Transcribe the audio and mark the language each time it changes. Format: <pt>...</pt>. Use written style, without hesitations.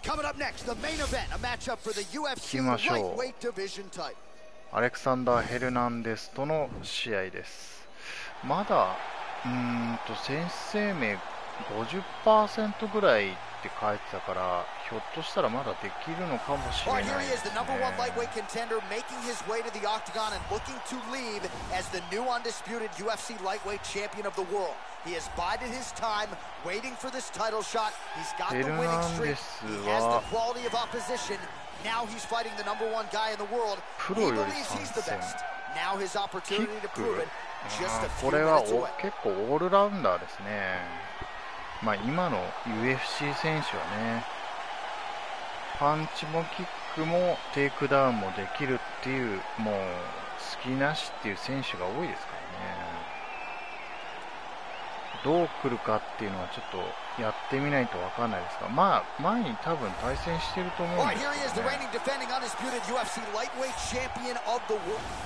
<ja>きましょう。アレクサンダー・ヘルナンデスとの試合です。まだ先生名 50% ぐらいって書いてたから、ひょっとしたらまだできるのかもしれないですね。</ja> <en>Here he is, the number one lightweight contender, making his way to the octagon and looking to leave as the new undisputed UFC lightweight champion of the world. He has bided his time, waiting for this title shot. He's got the winning streak. He has the quality of opposition. Now he's fighting the number one guy in the world. He believes he's the best. Now his opportunity to prove it.</en> <ja>これは結構オールラウンダーですね。まあ今の UFC 選手はね、パンチもキックもテイクダウンもできるっていう、もう隙なしっていう選手が多いですからね。どう来るかっていうのはちょっとやってみないと分かんないですが、まあ前に多分対戦してると思うんですけどね。</ja> <en>Reigning defending undisputed UFC lightweight champion of the world.</en>